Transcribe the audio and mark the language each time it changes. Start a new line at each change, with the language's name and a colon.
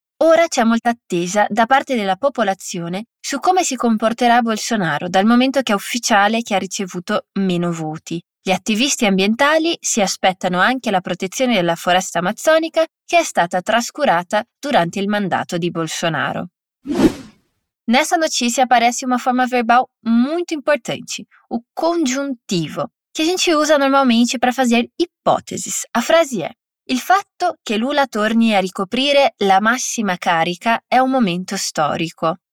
Italian: Ora c'è molta attesa da parte della popolazione su come si comporterà Bolsonaro dal momento che è ufficiale che ha ricevuto meno voti. Gli attivisti ambientali si aspettano anche la protezione della foresta amazzonica che è stata trascurata durante il mandato di Bolsonaro.
Portuguese: Nessa notícia aparece uma forma verbal muito importante, o congiuntivo, que a gente usa normalmente para fazer hipóteses. A frase é:
Italian: il fatto che Lula torni a ricoprire la massima carica è un momento storico.